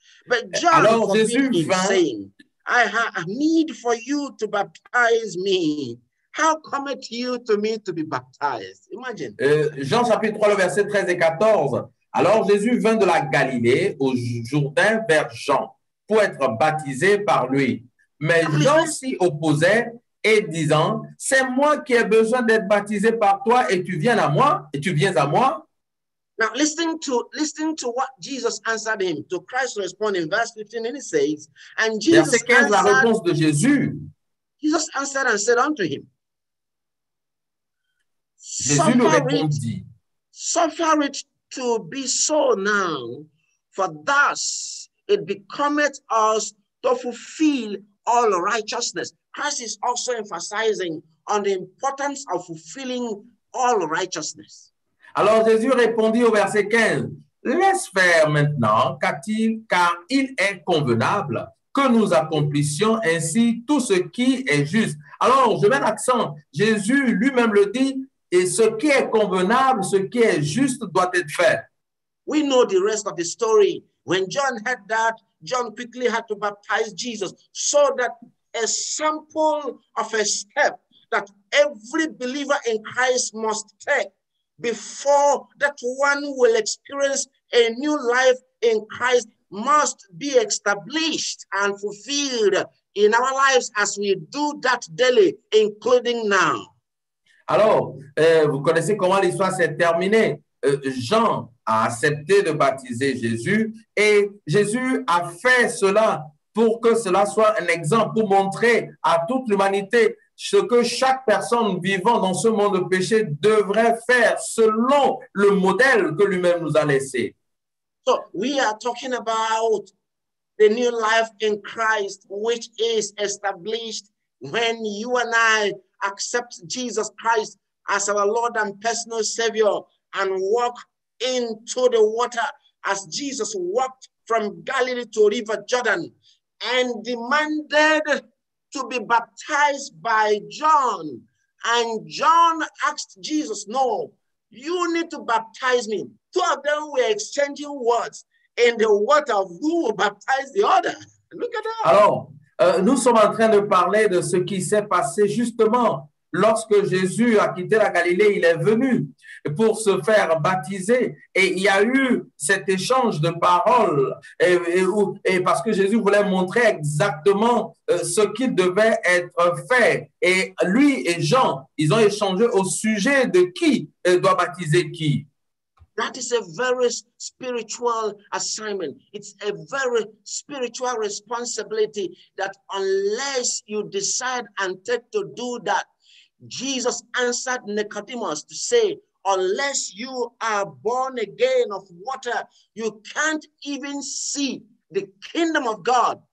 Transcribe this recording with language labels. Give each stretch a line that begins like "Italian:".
English: But John forbid him, saying, I have need for you to baptize me. How cometh you to me to be baptized? Imagine.
French: Jean chapitre 3, le verset 13 et 14. Alors Jésus vint de la Galilée au Jourdain vers Jean pour être baptisé par lui. Mais Jean s'y opposait. Et disant, c'est moi qui ai besoin d'être baptisé par toi et tu viens à moi, et tu viens à moi.
English: Now, listening to what Jesus answered him, to Christ responding in verse 15, and he says, and Jesus
French: verset 15,
English: answered,
French: la réponse de Jésus.
English: Jesus answered and said unto him,
French: Jésus lui répondit,
English: suffer it to be so now, for thus it becometh us to fulfill all righteousness. Christ is also emphasizing on the importance of fulfilling all righteousness.
French: Alors Jésus répondit au verset 15, laisse faire maintenant, car il est convenable que nous accomplissions ainsi tout ce qui est juste. Alors je mets l'accent, Jésus lui-même le dit, et ce qui est convenable, ce qui est juste doit être fait.
English: We know the rest of the story. When John heard that, John quickly had to baptize Jesus so that a sample of a step that every believer in Christ must take before that one will experience a new life in Christ must be established and fulfilled in our lives as we do that daily, including now.
French: Alors, vous connaissez comment l'histoire s'est terminée. Jean a accepté de baptiser Jésus et Jésus a fait cela pour que cela soit un exemple, pour montrer à toute l'humanité ce que chaque personne vivant dans ce monde de péché devrait faire selon le modèle que lui-même nous a laissé.
English: So we are talking about the new life in Christ, which is established when you and I accept Jesus Christ as our Lord and personal Savior and walk into the water as Jesus walked from Galilee to River Jordan and demanded to be baptized by John. And John asked Jesus, no, you need to baptize me. Two of them were exchanging words in the water of who will baptize the other. Look at that.
French: Alors, nous sommes en train de parler de ce qui s'est passé justement lorsque Jésus a quitté la Galilée, il est venu pour se faire baptiser. Et il y a eu cet échange de paroles et parce que Jésus voulait montrer exactement ce qui devait être fait. Et lui et Jean, ils ont échangé au sujet de qui doit baptiser qui.
English: That is a very spiritual assignment. It's a very spiritual responsibility that unless you decide and take to do that, Jesus answered Nicodemus to say, unless you are born again of water, you can't even see the kingdom of God.